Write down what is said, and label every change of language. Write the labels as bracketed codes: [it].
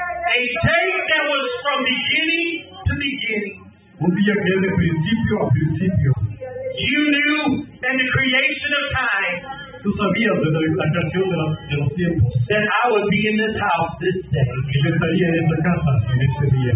[en] A day that was from beginning to beginning. [es] Un día que es de principio a principio. [en] You knew in the creation of time. [es] Tú sabías de la creación de los tiempos. [en] That I would be in this house this day. [es] Que yo estaría en esta casa en este día.